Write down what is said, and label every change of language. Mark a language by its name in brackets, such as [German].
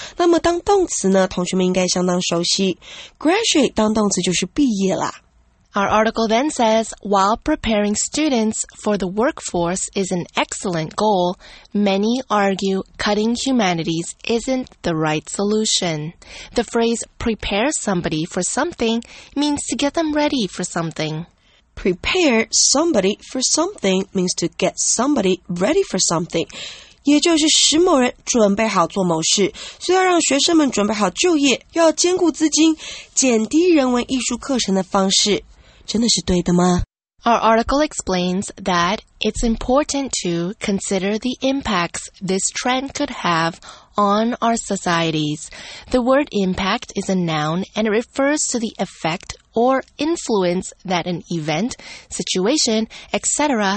[Chinese] 那么当动词呢，同学们应该相当熟悉。 Graduate 当动词就是毕业啦。 [English] Our article then says, while preparing students for the workforce is an excellent goal, many argue cutting humanities isn't the right solution. The phrase prepare somebody for something means to get them ready for something. Prepare somebody for something means to get somebody ready for something. [Chinese] 也就是使某人准备好做某事。所以要让学生们准备好就业，要兼顾资金，减低人文艺术课程的方式，真的是对的吗？ [English] Our article explains that it's important to consider the impacts this trend could have on our societies. The word impact is a noun and it refers to the effect or influence that an event, situation, etc.